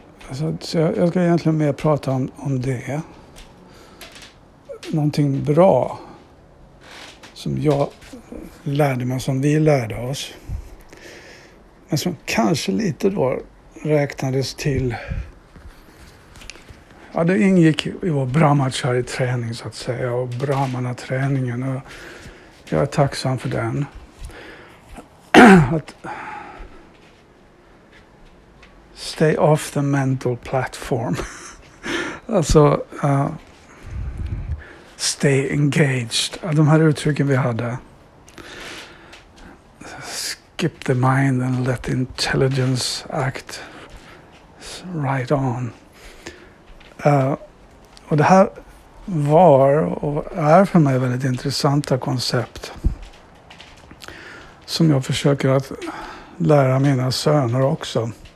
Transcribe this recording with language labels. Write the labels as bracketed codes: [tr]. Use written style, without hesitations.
[sv] Så jag ska egentligen mer prata om det. Någonting bra som jag lärde mig, som vi lärde oss, men som kanske lite då räknades till, ja, det ingick i vår brahmacharya-träning så att säga, och brahmana-träningen, och jag är tacksam för den. [en] Att stay off the mental platform. Alltså stay engaged. [sv] De här uttrycken vi hade. [en] Skip the mind and let the intelligence act right on. [sv] Och det här var och är för mig väldigt intressanta koncept som jag försöker att lära mina söner också.